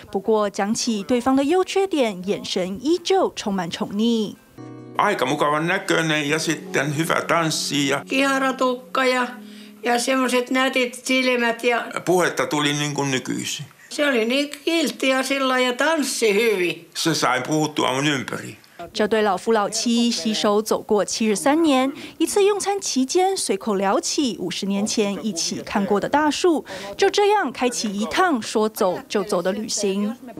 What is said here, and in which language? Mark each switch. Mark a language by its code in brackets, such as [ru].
[zh] 不过讲起对方的优缺点，眼神依旧充满宠溺。 [fi] Aika mukavan näköinen ja sitten hyvä tanssi ja kiharatukka ja semmoiset nätit silmät ja puhetta tuli niin kuin nykyisin. Se oli niin kiltti ja sillä ja tanssi hyvin. Se sai puhuttua mun ympäri. [zh] 这对老夫老妻携手走过73年，一次用餐期间随口聊起50年前一起看过的大树，就这样开启一趟说走就走的旅行。